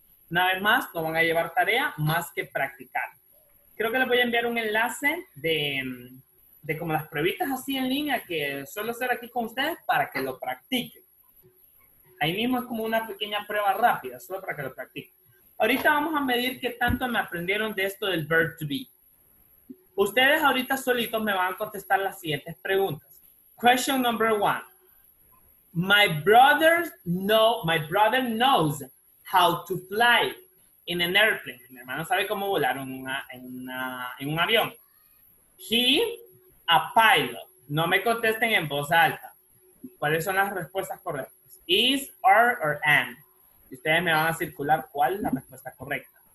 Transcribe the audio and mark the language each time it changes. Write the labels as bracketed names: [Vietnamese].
[Spanish] Una vez más, no van a llevar tarea más que practicar. Creo que les voy a enviar un enlace de como las pruebitas así en línea que suelo hacer aquí con ustedes para que lo practiquen. Ahí mismo es como una pequeña prueba rápida, solo para que lo practiquen. Ahorita vamos a medir qué tanto me aprendieron de esto del verb to be. Ustedes ahorita solitos me van a contestar las siguientes preguntas. [English] Question number one. My brother knows how to fly in an airplane. [Spanish] Mi hermano sabe cómo volar en un avión. [English] He, a pilot. [Spanish] No me contesten en voz alta. ¿Cuáles son las respuestas correctas? Is, are, or am. Ustedes me van a circular cuál es la respuesta correcta.